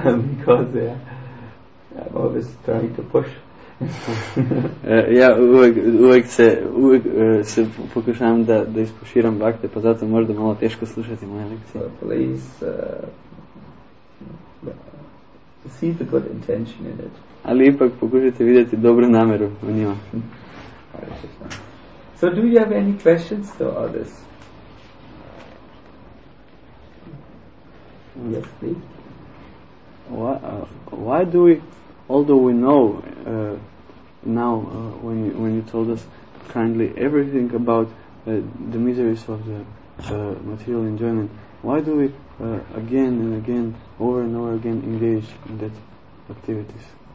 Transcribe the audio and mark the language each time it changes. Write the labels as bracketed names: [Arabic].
[English] because I'm always trying to push. [Croatian] Ja uvijek se pokušavam da ispuširam bhakte, pa zato možda malo teško slušati moje lekcije. [English] So please see the good intention in it. [Croatian] Ali ipak pokušajte vidjeti dobru namjeru u njima. [English] So do you have any questions to all this? Yes, please. Why do we, although we know now when you told us kindly everything about the miseries of the material enjoyment, why do we again and again, over and over again engage in that activities?